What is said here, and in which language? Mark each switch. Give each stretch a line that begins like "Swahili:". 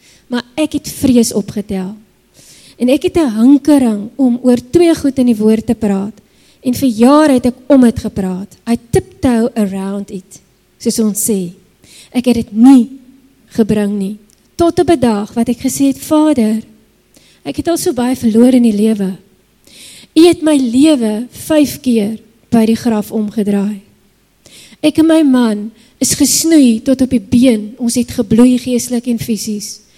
Afrikaans: Maar ek het vrees opgetel. En ek het 'n hinkering om oor twee goed in die woord te praat. En vir jare het ek om dit gepraat.
English: I tiptoe around it,
Afrikaans: soos ons sê. Ek het dit nie gebring nie. Tot op 'n dag wat ek gesê het, Vader, ek het al so baie verloor in die lewe. U het my lewe 5 keer by die graf omgedraai. Ek en my man is gesnoei tot op die been. Ons het gebloei geestelik en fisies.